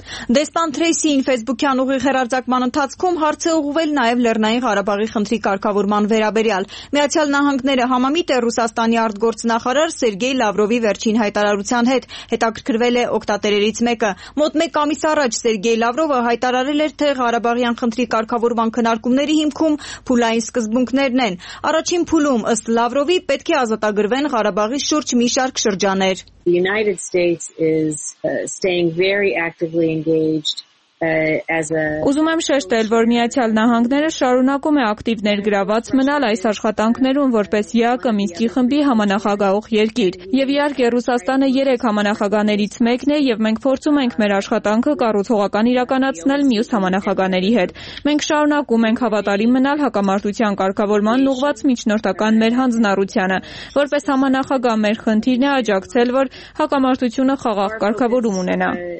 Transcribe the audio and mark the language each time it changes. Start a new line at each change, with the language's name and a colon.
Armenian: Դեսպան Թրեյսին Facebook-յան ուղիղ հերարձակման ընթացքում հարց է ուղղվել նաև Լեռնային Ղարաբաղի խնդրի կարգավորման վերաբերյալ։ Միացյալ Նահանգները համամիտ է Ռուսաստանի արտգործնախարար Սերգեյ Լավրովի վերջին հայտարարության հետ, հետաքրքրվել է օկտատերերից մեկը։ Մոտ 1 ամիս առաջ Սերգեյ Լավրովը հայտարարել էր, թե Ղարաբաղյան խնդրի կարգավորման քննարկումների հիմքում փուլային սկզբունքներն են։ Առաջին փուլում, ըստ Լավրովի, պետք է ազատագրվեն Ղարաբաղի շուրջ մի շարք շրջաններ։
English: The United States is staying very actively engaged as a
Armenian: Ուզում եմ շեշտել, որ Միացյալ Նահանգները շարունակում է ակտիվ ներգրաված մնալ այս աշխատանքներում որպես ԵԱԿ-ի Մինսկի խմբի համանախագահող երկիր։ Եվ իհարկե Ռուսաստանը 3 համանախագահներից մեկն է եւ մենք փորձում ենք մեր աշխատանքը կառուցողական իրականացնել մյուս համանախագահների հետ։ Մենք շարունակում ենք հավատալին մնալ հակամարտության կարգավորման ուղղված միջնորդական մեր հանձնառությանը։ Որպես համանախագահ մեր խնդիրն է աջակցել, որ հակամարտությունը խաղաղ կարգավորում ունենա։